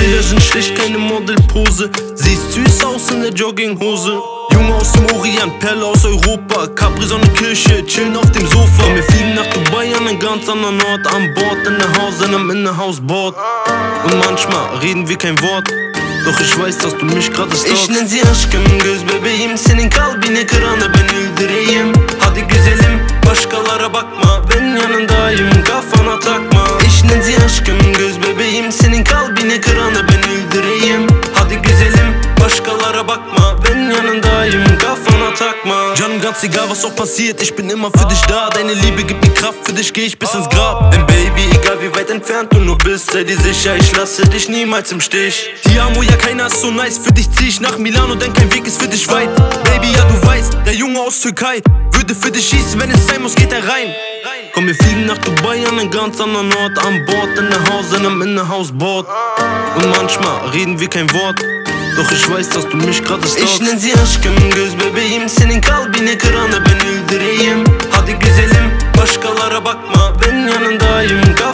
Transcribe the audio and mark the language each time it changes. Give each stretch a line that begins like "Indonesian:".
German: Bilder sind schlicht keine Modelpose, siehst süß aus in der Jogginghose. Junge aus dem Orient, Perle aus Europa, Capri Sonne Kirche, chillen auf dem Sofa. Wir fliegen nach Dubai an einen ganz anderen Ort, an Bord in der Haus, in einem Innenhausboard. Und manchmal reden wir kein Wort, doch ich weiß, dass du mich gerade stalkst. Ich nenn sie
Turkish: aşkım, göz bebeğim, senin kalbini kırana ben öldüreyim. Hadi güzelim, başkalara bakma, ben yanındayım, kafana takma.
German: Ich nenn sie
Turkish: aşkım, göz bebeğim, senin kalbini kırana ben öldüreyim. Hadi güzelim, başkalara bakma, ben yanındayım, kafana takma.
German: Canım ganz egal, was auch passiert, ich bin immer für dich da. Deine Liebe gibt mir Kraft, für dich geh ich bis ins Grab. Denn Baby, egal wie weit entfernt du nur bist, sei dir sicher, ich lasse dich niemals im Stich.
Italian: Ti amo,
German: ja keiner ist so nice, für dich zieh ich nach Milano, denn kein Weg ist für dich weit. Baby, ja du weißt, der Junge aus Türkei würde für dich schießen, wenn es sein muss, geht er rein. Komm, wir fliegen nach Dubai an einen ganz anderen Ort, an Bord, in der Haus, in einem Innenhausboard. Und manchmal reden wir kein Wort, doch ich weiß, dass du mich gerade stalkst. Ich nenn sie
Turkish: aşkım, göz bebeğim, senin kalbini kırana ben öldüreyim. Hadi güzelim, başkalara bakma, ben yanındayım,